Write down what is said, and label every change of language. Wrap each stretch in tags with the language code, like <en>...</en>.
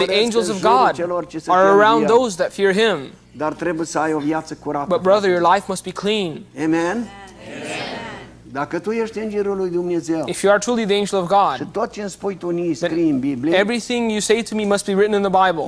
<en>And the angels of God are around those that fear him.</en> <ro>Dar trebuie să ai o viață curată.</ro> <en>But brother, your life must be clean. Amen. Amen.</en> <ro>Dacă tu ești îngerul lui Dumnezeu.</ro> <en>If you are truly the angel of God.</en> <ro>Și tot ce îmi spui tu nu e scris în Biblie.</ro> <en>Everything you say to me must be written in the Bible.</en>